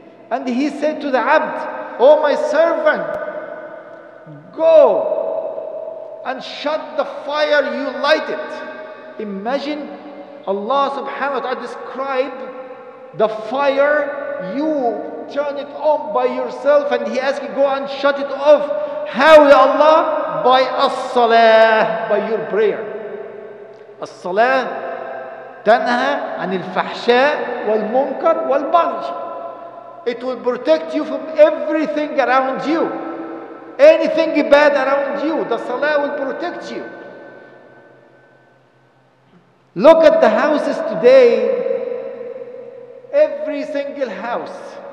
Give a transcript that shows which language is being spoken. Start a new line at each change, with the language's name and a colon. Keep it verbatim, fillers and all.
English: And he said to the abd, "O my servant, go and shut the fire you lighted." Imagine Allah subhanahu wa ta'ala describe the fire, you turn it on by yourself, and he asked you, go and shut it off. How, ya Allah? By as-salah, by your prayer.
Arabic: الصلاة تنهى عن الفحشاء والمنكر والبغي.
English: It will protect you from everything around you. Anything bad around you, the salah will protect you. Look at the houses today. Every single house.